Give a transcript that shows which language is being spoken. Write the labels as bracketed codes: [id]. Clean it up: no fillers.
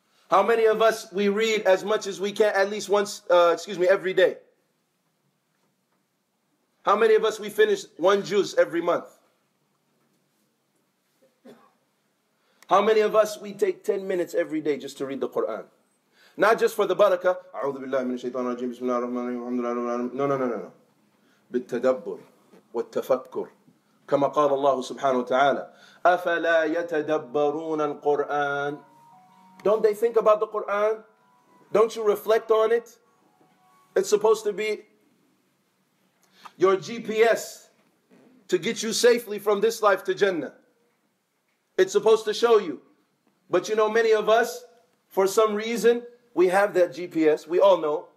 [en] How many of us we read as much as we can at least every day? How many of us we finish one juz every month? How many of us we take 10 minutes every day just to read the Qur'an? Not just for the barakah. [ar] أعوذ بالله من الشيطان الرجيم بسم الله الرحمن الرحيم الحمد لله رب العالمين. No. بالتدبر والتفكر. كما قال الله سبحانه وتعالى. أفلا يتدبرون القرآن. [en] Don't they think about the Quran? Don't you reflect on it? It's supposed to be your GPS to get you safely from this life to Jannah. It's supposed to show you. But you know, many of us, for some reason, we have that GPS, we all know.